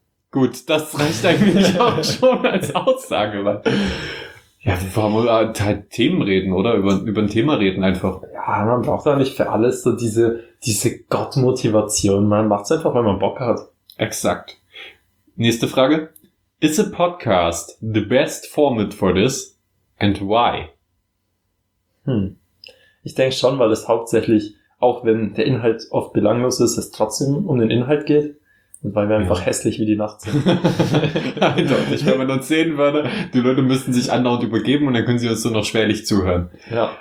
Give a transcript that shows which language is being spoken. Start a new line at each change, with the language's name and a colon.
German: Gut, das reicht eigentlich auch schon als Aussage. Weil, ja, wir wollen halt Themen reden, oder? Über ein Thema reden einfach. Ja, man braucht da nicht für alles so diese Gottmotivation. Man macht es einfach, weil man Bock hat. Exakt. Nächste Frage.
English: Is a podcast the best format for this and why?
German: Ich denke schon, weil es hauptsächlich, auch wenn der Inhalt oft belanglos ist, es trotzdem um den Inhalt geht. Und weil wir einfach hässlich wie die Nacht sind. Eindeutig, wenn man uns sehen würde, die Leute müssten sich andauernd übergeben und dann können sie uns so noch schwerlich zuhören. Ja.